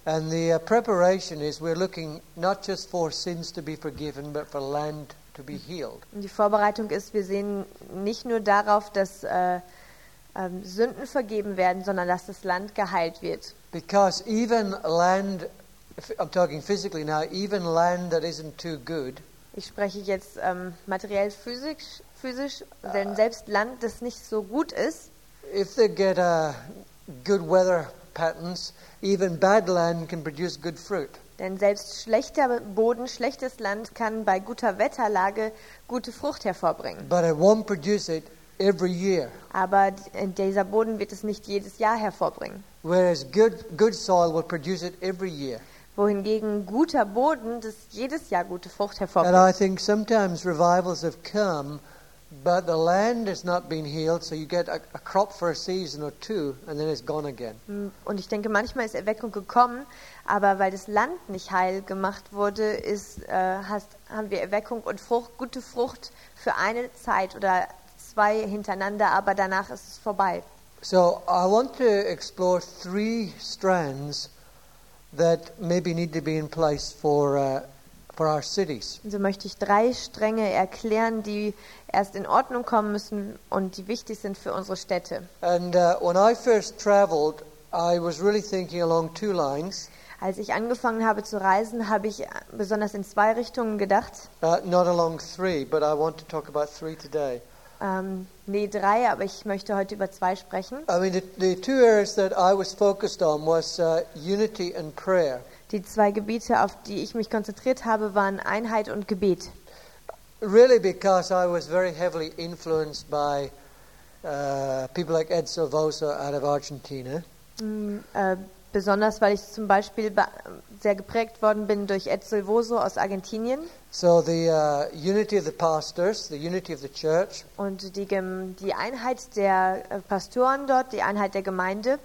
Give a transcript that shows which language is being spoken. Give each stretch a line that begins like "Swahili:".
English: And the preparation is, we're looking not just for sins to be forgiven, but for land to be healed.
German: Und die Vorbereitung ist, wir sehen nicht nur darauf, dass Sünden vergeben werden, sondern dass das Land geheilt wird.
English: Because even land, I'm talking physically now, even land that isn't too good.
German: Ich spreche jetzt materiell physisch, denn selbst Land, das nicht so gut ist.
English: If they get a good weather patterns, even bad land can produce good fruit.
German: Denn selbst schlechter Boden, schlechtes Land kann bei guter Wetterlage gute Frucht hervorbringen.
English: But it won't produce it every year.
German: Aber dieser Boden wird es nicht jedes Jahr hervorbringen.
English: Whereas good soil will produce it every year.
German: Wohingegen guter Boden das jedes Jahr gute Frucht hervorbringt.
English: And I think sometimes revivals have come, but the land has not been healed, so you get a crop for a season or two and then it's gone again.
German: Und ich denke, manchmal ist Erweckung gekommen, aber weil das Land nicht heil gemacht wurde, haben wir Erweckung und Frucht, gute Frucht für eine Zeit oder zwei hintereinander, aber danach ist es vorbei.
English: So I want to explore three strands that maybe need to be in place for our cities.
German: So möchte ich drei Stränge erklären, die erst in Ordnung kommen müssen und die wichtig sind für unsere Städte.
English: And when I first traveled, I was really thinking along two lines.
German: Als ich angefangen habe zu reisen, habe ich besonders in zwei Richtungen gedacht.
English: Not along three, but I want to talk about three today.
German: Drei, aber ich möchte heute über zwei sprechen.
English: I mean, the two areas that I was focused on was unity and prayer.
German: Die zwei Gebiete, auf die ich mich konzentriert habe, waren Einheit und Gebet.
English: Really, because I was very heavily influenced by people like Ed Silvosa out of Argentina.
German: Besonders, weil ich zum Beispiel sehr geprägt worden bin durch Ed Silvoso aus Argentinien.
English: So the unity of the pastors, the unity of the church.
German: Und die Einheit der Pastoren dort, die Einheit der Gemeinde.